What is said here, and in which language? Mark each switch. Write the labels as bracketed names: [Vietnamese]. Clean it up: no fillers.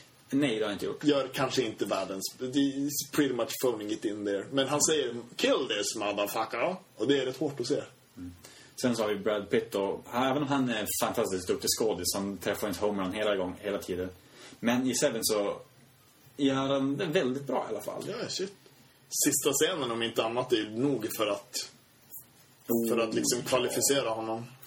[Swedish] Nej, det har jag inte gjort. Gör kanske inte världens... [English] He's pretty much phoning it in there. [Swedish] Men han säger, [English] kill this motherfucker. [Swedish] Och det är rätt hårt att se. Mm. Sen så har vi Brad Pitt. Och, även om han är fantastiskt duktig skådis, han träffar inte homerun hela tiden. Men i Seven så gör han det väldigt bra i alla fall. Ja, yeah, shit. Sista scenen om inte annat är nog för att liksom kvalificera honom.